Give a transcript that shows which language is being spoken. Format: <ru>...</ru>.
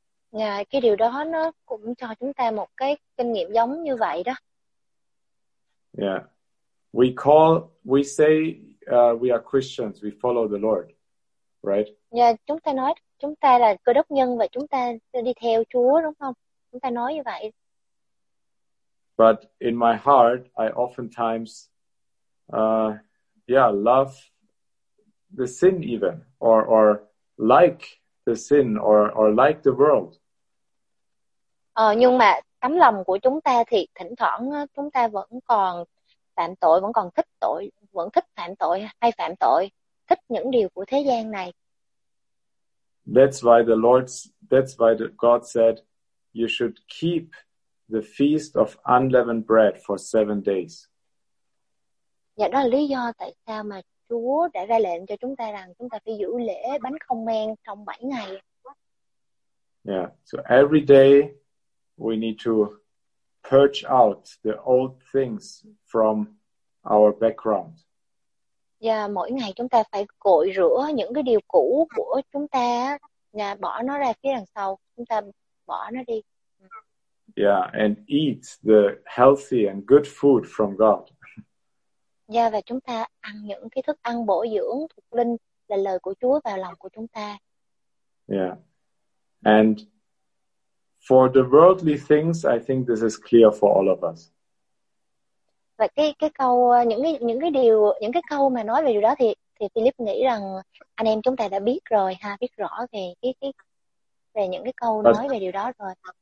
<vi>Yeah, cái điều đó nó cũng cho chúng ta một cái kinh nghiệm giống như vậy đó.</vi> <en>Yeah. We say we are Christians, we follow the Lord. Right?</en> <vi>Yeah, chúng ta nói chúng ta là cơ đốc nhân và chúng ta đi theo Chúa đúng không? Chúng ta nói như vậy.</vi> <en>But in my heart, I oftentimes love the sin even, or like the sin, or like the world.</en> <vi>Nhưng mà tấm lòng của chúng ta thì thỉnh thoảng chúng ta vẫn còn phạm tội, vẫn còn thích tội, vẫn thích phạm tội hay phạm tội, thích những điều của thế gian này.</vi> <en>That's why God said you should keep the feast of unleavened bread for 7 days.</en> <vi>Dạ, đó là lý do tại sao mà Chúa đã ra lệnh cho chúng ta rằng chúng ta phải giữ lễ bánh không men trong 7 ngày.</vi> <en>Yeah, so every day we need to purge out the old things from our background.</en> <vi>Yeah, mỗi ngày chúng ta phải cội rửa những cái điều cũ của chúng ta, bỏ nó ra phía đằng sau, chúng ta bỏ nó đi.</vi> <en>Yeah, and eat the healthy and good food from God.</en> <vi>Yeah, và chúng ta ăn những cái thức ăn bổ dưỡng thuộc linh là lời của Chúa vào lòng của chúng ta.</vi> <en>Yeah. And for the worldly things, I think this is clear for all of us.</en> <vi>Và cái câu những cái câu mà nói về điều đó thì Philip nghĩ rằng anh em chúng ta đã biết rồi ha, biết rõ về những cái câu nói về điều đó rồi.</vi>